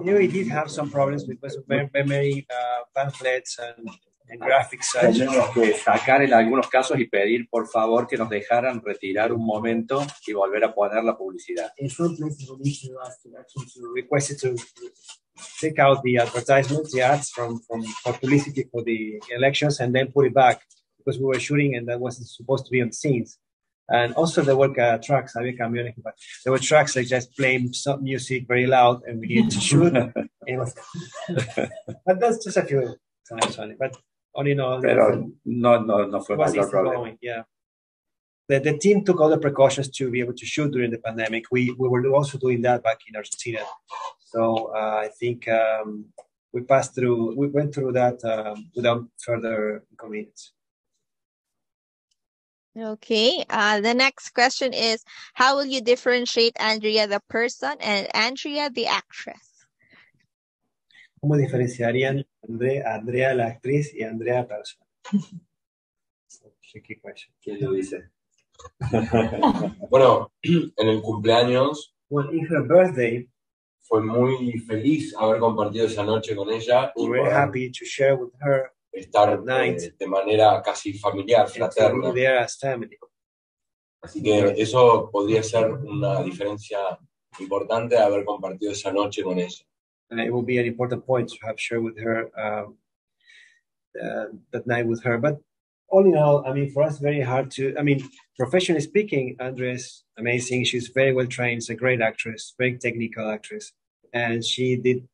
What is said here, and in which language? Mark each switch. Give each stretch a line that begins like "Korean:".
English: We did have some problems because of many pamphlets and graphics.
Spanish: Sacar en algunos casos y pedir por favor que nos dejaran retirar un momento y volver a poner la publicidad.
English: In some places, we requested to take out the advertisements, the ads from for publicity for the elections, and then put it back because we were shooting and that wasn't supposed to be on scenes. And also there were tracks,
Spanish: había camiones,
English: but there were tracks that just played some music very loud and we needed to shoot. But that's just a few times only. But all in all,
Spanish: no fue
English: it was easy problem. Going, yeah. The team took all the precautions to be able to shoot during the pandemic. We were also doing that back in Argentina. So I think we went through that without further inconvenience. Okay, the next question is, how will you differentiate Andrea the person and Andrea the actress?
Spanish: ¿Cómo diferenciarían Andrea la actriz y Andrea la persona?
English: Tricky question.
Spanish: ¿Quién lo dice? Bueno, en el cumpleaños,
English: well, in her birthday,
Spanish: fue muy feliz haber compartido esa noche con ella.
English: We're very happy to share with her.
Spanish: Estar
English: night,
Spanish: de manera casi familiar, fraterna.
English: As family.
Spanish: Así que eso podría ser una diferencia importante de haber compartido esa noche con ella.
English: And it would be an important point to have shared with her that night with her. But all in all, I mean, for us, very hard to. I mean, professionally speaking, Andrea's amazing. She's very well trained. She's a great actress, very technical actress, and she did.